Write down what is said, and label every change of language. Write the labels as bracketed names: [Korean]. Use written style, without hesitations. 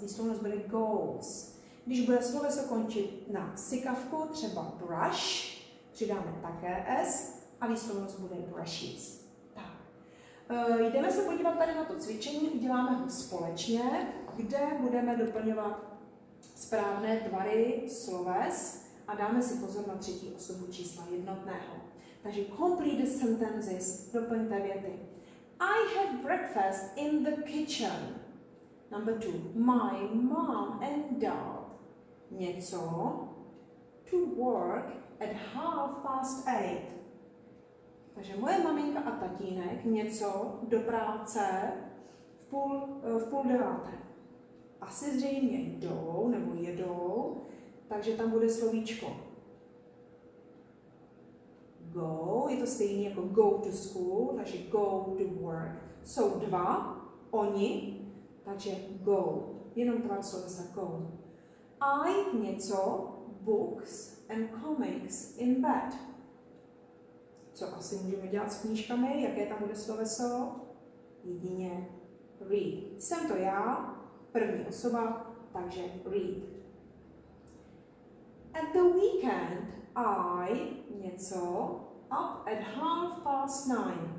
[Czech] Výslovnost bude goes. Když bude sloveso končit na sykavku, třeba brush, přidáme také s a výslovnost bude brushes. Tak. Jdeme se podívat tady na to cvičení, uděláme ho společně, kde budeme doplňovat správné tvary sloves a dáme si pozor na třetí osobu čísla jednotného. Takže [English] complete the sentences, [Czech] doplňte věty. [English] I have breakfast in the kitchen. Number two. My mom and dad. [Czech] Něco. [English] To work at 8:30. [Czech] Takže moje maminka a tatínek něco do práce v půl deváté. Asi zřejmě jdou nebo jedou, takže tam bude slovíčko. Go, je to stejný jako [English] go to school, [Czech] takže [English] go to work. [Czech] Jsou dva, oni, takže go, jenom tvar slovesa go. [English] I [Czech] něco, [English] books and comics in bed. [Czech] Co asi můžeme dělat s knížkami, jaké tam bude sloveso? Jedině read. Jsem to já, první osoba, takže read. [English] At the weekend, I [Czech] něco, [English] up at 9:30.